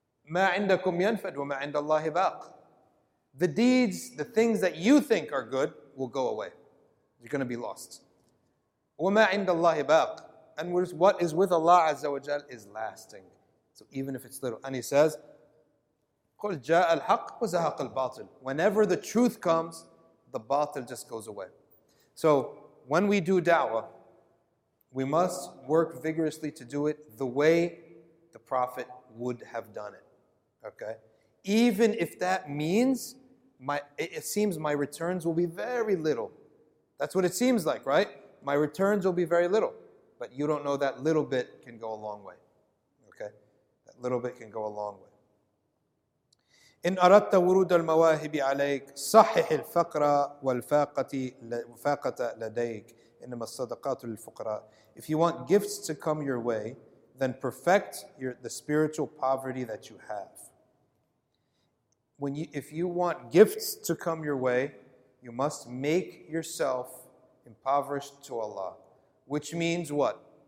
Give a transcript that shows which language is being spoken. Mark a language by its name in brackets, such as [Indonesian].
[Arabic] مَا عِنْدَكُمْ يَنْفَدْ وَمَا عِنْدَ اللَّهِ بَاقٍ. [English] The deeds, the things that you think are good, will go away. You're going to be lost. [Arabic] وَمَا عِنْدَ اللَّهِ بَاقٍ. [English] And what is with Allah Azza wa Jal is lasting. So even if it's little. And he says, [Arabic] قُلْ جَاءَ الْحَقِّ وَزَهَقَ الْبَاطِلِ. [English] Whenever the truth comes, the batil just goes away. So when we do da'wah, we must work vigorously to do it the way the Prophet would have done it. Okay? Even if that means it seems my returns will be very little. That's what it seems like, right? My returns will be very little. But you don't know that little bit can go a long way. Okay? That little bit can go a long way. [Arabic] إن أردت ورود المواهب عليك صحح الفقرة والفاقة لديك إنما الصدقات للفقراء. [English] If you want gifts to come your way, then perfect the spiritual poverty that you have. If you want gifts to come your way, you must make yourself impoverished to Allah. Which means what?